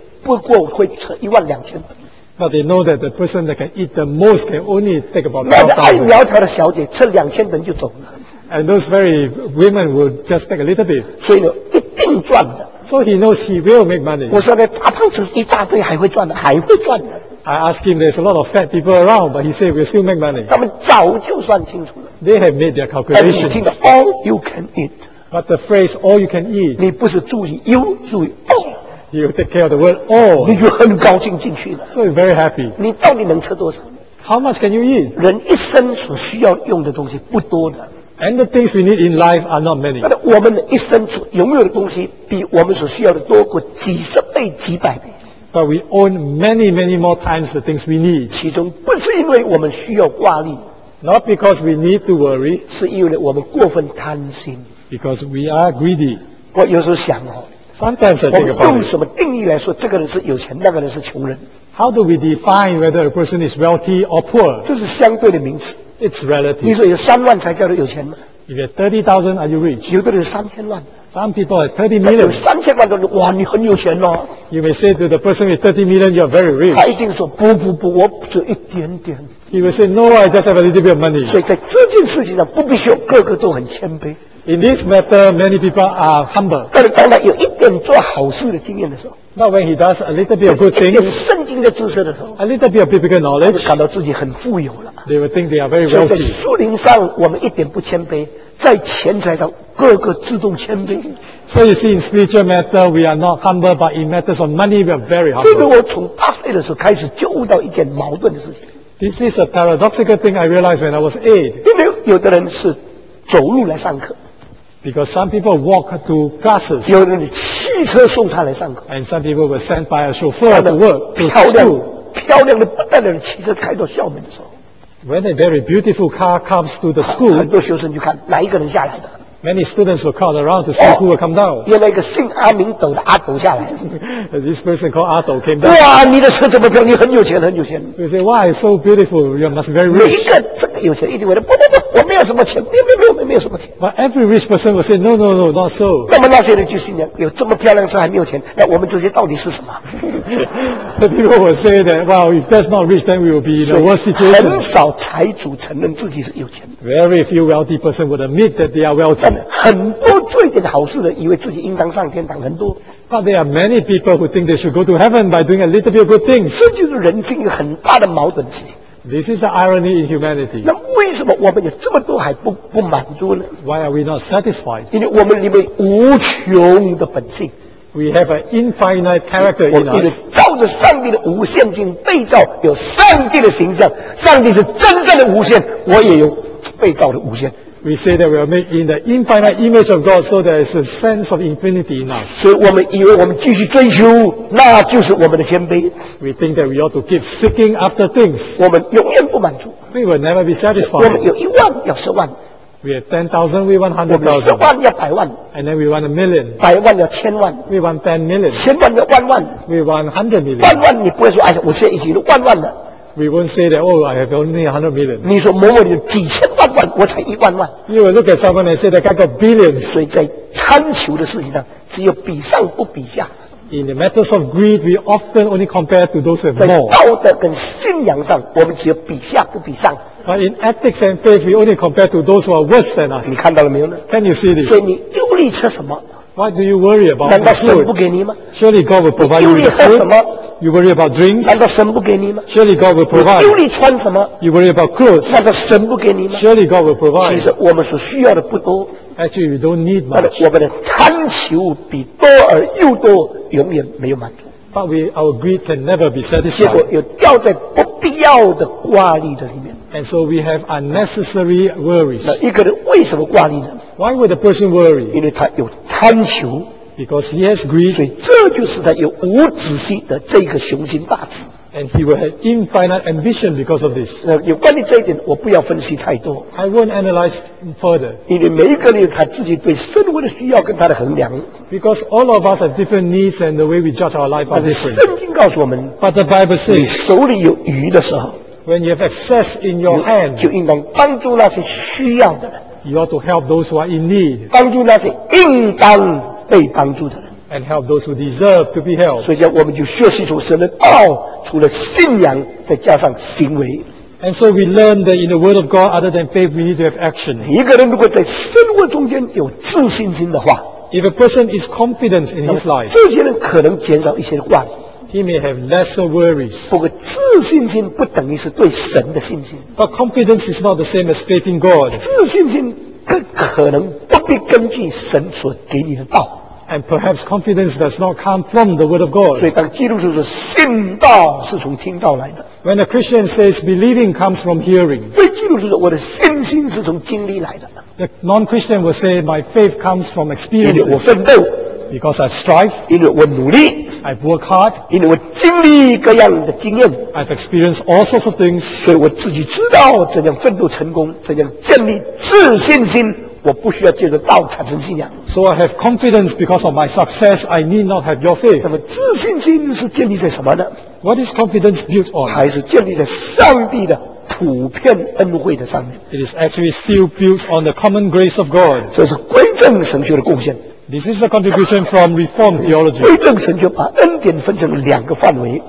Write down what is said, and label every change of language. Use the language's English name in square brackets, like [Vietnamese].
[Chinese] 不过会吃12,000。 [English] But they know that the person that can eat the most can only take about [Chinese] 12,000. 那个爱苗条的小姐吃2,000吨就走了。 [English] And those very women will just take a little bit. [Chinese] 所以呢，一定赚的。 [English] So he knows he will make money. [Chinese] 我说呢，大胖子一大堆还会赚的，还会赚的。 [English] I ask him, there's a lot of fat people around, but he said we'll still make money. [Chinese] 他们早就算清楚了。 [English] They have made their calculations. [Chinese] 你听的 [English] all you can eat. But the phrase all you can eat. [Chinese] 你不是注意 you， 注意 all。 [English] You take care of the world all.、Oh, [Chinese] 你就很高兴进去了。 [English] So you're very happy. [Chinese] 你到底能吃多少 [English] ？How much can you eat? [Chinese] 人一生所需要用的东西不多的。 [English] And the things we need in life are not many. [Chinese] 但我们一生所拥有的东西比我们所需要的多过几十倍、几百倍。 [English] But we own many, many more times the things we need. [Chinese] 其中不是因为我们需要挂虑 [English] ，Not because we need to worry. [Chinese] 是因为我们过分贪心 [English] ，Because we are greedy. [Chinese] 我有时候想哦。 [English] Sometimes I think about [Chinese] it. 我们用什么定义来说这个人是有钱，那个人是穷人 [English] ？How do we define whether a person is wealthy or poor？ [Chinese] 这是相对的名词。 [English] It's relative. [Chinese] 你说有30,000才叫做有钱吗 [English] ？If you have 30,000, are you rich？ [Chinese] 有的人3,000,000。 [English] Some people have 30 million. [Chinese] 3,000,000的人，哇，你很有钱哦。 [English] You may say to the person with 30 million, you are very rich. [Chinese] 他一定说不，我只有一点点。 [English] He will say, no, I just have a little bit of money. [Chinese] 所以在这件事情上，不必说个个都很谦卑。 [English] In this matter, many people are humble. [Chinese] 但是当他有一点做好事的经验的时候 [English] ，Now when he does a little bit of good things, [Chinese] 一点圣经的知识的时候 [English] ，a little bit of biblical knowledge, [Chinese] 他就感到自己很富有了。 [English] They will think they are very wealthy. [Chinese] 所以在树林上，我们一点不谦卑，在钱财上，个个自动谦卑。 [English] So you see, in spiritual matter, we are not humble, but in matters of money, we are very humble. [Chinese] 这个我从8岁的时候开始就悟到一件矛盾的事情。 [English] This is a paradoxical thing I realized when I was 8. [Chinese] 因为有的人是走路来上课。 [English] Because some people walk to classes. [Chinese] 有人汽车送他来上课。 [English] And some people were sent by a chauffeur to work. [Chinese] 漂亮的不得了的汽车开到校门的时候。 [English] When a very beautiful car comes to the school. [Chinese] 很多学生就看哪一个人下来的。 [English] Many students were called around to see who would come down. [Chinese] 原来一个姓阿明斗的阿斗下来。 [English] This person called 阿斗 came down. [Chinese] 哇，你的车怎么漂亮？你很有钱，很有钱。 [English] He said, "Why so beautiful? You must be very rich." [Chinese] 每一个这个有钱一定会说，不，我没有什么钱，没有什么钱。 [English] But every rich person will say, "No, not so." [Chinese] 那么那些人就心想，有这么漂亮车还没有钱，那我们这些到底是什么？ [English] The people will say that, "Well, if that's not rich, then we will be in a worse situation." [Chinese] 很少财主承认自己是有钱。 [English] Very few wealthy person would admit that they are wealthy. [Chinese] 很多做一点好事的，以为自己应当上天堂。很多 [English] ，But there are many people who think they should go to heaven by doing a little bit of good things。 [Chinese] 这就是人性很大的矛盾性。 [English] This is the irony in humanity。 [Chinese] 那为什么我们有这么多还不满足呢 [English] ？Why are we not satisfied？ [Chinese] 因为我们里面无穷的本性。 [English] We have an infinite character in us。 [Chinese] 我们照着上帝的无限性被造，有上帝的形象。上帝是真正的无限，我也有被造的无限。 [English] We say that we are made in the infinite image of God, so there is a sense of infinity in us. [Chinese] 所以我们以为我们继续追求，那就是我们的谦卑。 [English] We think that we ought to keep seeking after things. [Chinese] 我们永远不满足。 [English] We will never be satisfied. [Chinese] 我们有10,000，要100,000。 [English] We have 10,000, we want 100,000. [Chinese] 我们十万要百万。 [English] And then we want a million. [Chinese] 百万要千万。 [English] We want 10 million. [Chinese] 千万要万万。 [English] We want 100 million. [Chinese] 万万你不会说哎，我现在已经万万了。 [English] We won't say that, oh, I have only 100 million. [Chinese] 你说某某有几千万万，我才一万万。 [English] You will look at someone and say that I got billions. [Chinese] 所以在贪求的事情上，只有比上不比下。 [English] In the matters of greed, we often only compare to those who have more. [Chinese] 在道德跟信仰上，我们只有比下不比上。 [English] But in ethics and faith, we only compare to those who are worse than us. [Chinese] 你看到了没有呢？ [English] Can you see this? [Chinese] 所以你忧虑吃什么？ [English] Why do you worry about [Chinese] food? 难道神不给你吗？ [English] Surely God will provide you with food. You worry about drinks? [Chinese] 难道神不给你吗？ [English] Surely God will provide. [Chinese] 忧虑穿什么？ [English] You worry about clothes? [Chinese] 难道神不给你吗？ [English] Surely God will provide. [Chinese] 其实我们所需要的不多。 [English] Actually, we don't need much. [Chinese] 我们的贪求比多而又多，永远没有满足。 [English] But our greed can never be satisfied. [Chinese] 结果又掉在不必要的挂虑的里面。 [English] And so we have unnecessary worries. [Chinese] 那一个人为什么挂虑呢？ [English] Why would a person worry? [Chinese] 因为他有贪求。 [English] Because he has greed. [Chinese] 所以这就是他有无止境的这个雄心大志。 [English] And he will have infinite ambition because of this. [Chinese] 有关于这一点，我不要分析太多。 [English] I won't analyze further. [Chinese] 因为每一个人有他自己对生活的需要跟他的衡量。 [English] Because all of us have different needs and the way we judge our life are different. [Chinese] 圣经告诉我们， [English] But the Bible says, [Chinese] 你手里有余的时候， [English] When you have excess in your hand, [Chinese] 就应当帮助那些需要的人。 [English] You ought to help those who are in need. [Chinese] 帮助那些应当被帮助的人。 [English] And help those who deserve to be helped. [Chinese] 所以我们就学习从神的道，除了信仰，再加上行为。 [English] And so we learn that in the Word of God, other than faith, we need to have action. [Chinese] 一个人如果在生活中间有自信心的话， [English] If a person is confident in his life, [Chinese] 这些人可能减少一些挂虑。 [English] He may have lesser worries. [Chinese] 不过自信心不等于是对神的信心。 [English] But confidence is not the same as faith in God. [Chinese] 自信心可能不必根据神所给你的道。 [English] And perhaps confidence does not come from the word of God. [Chinese] 所以当基督徒说信道是从听道来的。 [English] When a Christian says believing comes from hearing. [Chinese] 对基督徒说我的信心是从经历来的。 [English] The non-Christian will say my faith comes from experience. [Chinese] 因为我奋斗。 [English] Because I strive. [Chinese] 因为我努力。 [English] I've worked hard. [Chinese] 因为我经历各样的经验。 [English] I've experienced all sorts of things. [Chinese] 所以我自己知道怎样奋斗成功，怎样建立自信心。我不需要借着道产生信仰。 [English] So I have confidence because of my success. I need not have your faith. [Chinese] 那么自信心是建立在什么呢？ [English] What is confidence built on? [Chinese] 还是建立在上帝的普遍恩惠的上面？ [English] It is actually still built on the common grace of God. [Chinese] 这是归正神学的贡献。 [English] This is a contribution from Reformed theology. [Chinese] 归正神学把恩典分成两个范围。